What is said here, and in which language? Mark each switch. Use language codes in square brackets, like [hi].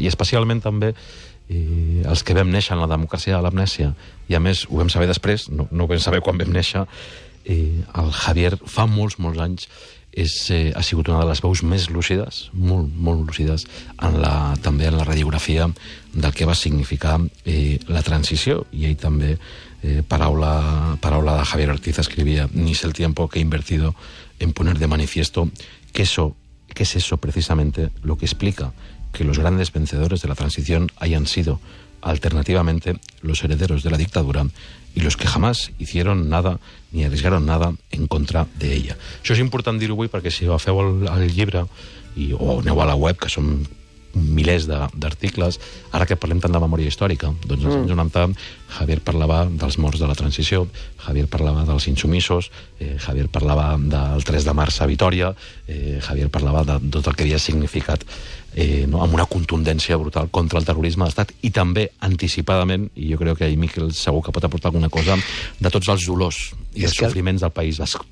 [ca] I especialment també els que vam néixer en la democràcia de l'amnèsia, i a més ho vam saber després, no ho vam saber quan vam néixer, el Javier fa molts, molts anys... ha sigut una de les veus més lúcides, molt, molt lúcides, també en la radiografia del que va significar la transició. I ell també, paraula de Javier Ortiz, escrivia: [es] ni es el tiempo que he invertido en poner de manifiesto que es eso precisamente lo que explica que los grandes vencedores de la transición hayan sido, alternativamente, los herederos de la dictadura y los que jamás hicieron nada ni arriesgaron nada en contra de ella. [ca] Això és important dir-ho avui, perquè si agafeu el llibre o aneu a la web, que són milers d'articles, ara que parlem tant de memòria històrica, doncs als anys 90 Javier parlava dels morts de la transició, Javier parlava dels insumisos, Javier parlava del 3 de març a Vitoria, Javier parlava de tot el que havia significat, no, amb una contundència brutal contra el terrorisme d'Estat, i també anticipadament, i jo crec que ahir Miquel segur que pot aportar alguna cosa, de tots els dolors i els sofriments del País Basc.